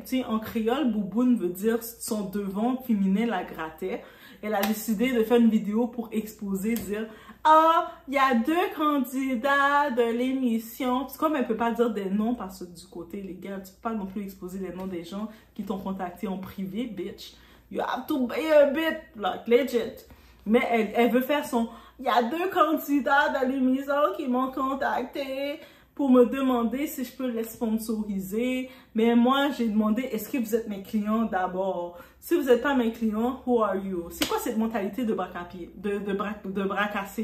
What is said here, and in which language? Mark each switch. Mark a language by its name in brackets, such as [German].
[French] Tu sais, en créole, bouboune veut dire son devant féminin la grattait. Elle a décidé de faire une vidéo pour exposer, dire... Ah, il y a deux candidats de l'émission. C'est comme elle ne peut pas dire des noms parce que du côté, les gars, tu ne peux pas non plus exposer les noms des gens qui t'ont contacté en privé, bitch. [English] You have to be a bit, like, legit. [French] Mais elle veut faire son... Il y a deux candidats de l'émission qui m'ont contacté pour me demander si je peux les sponsoriser. Mais moi, j'ai demandé, est-ce que vous êtes mes clients d'abord? Si vous n'êtes pas mes clients, [English] who are you? [French] C'est quoi cette mentalité de braque à pied, de braque cassée?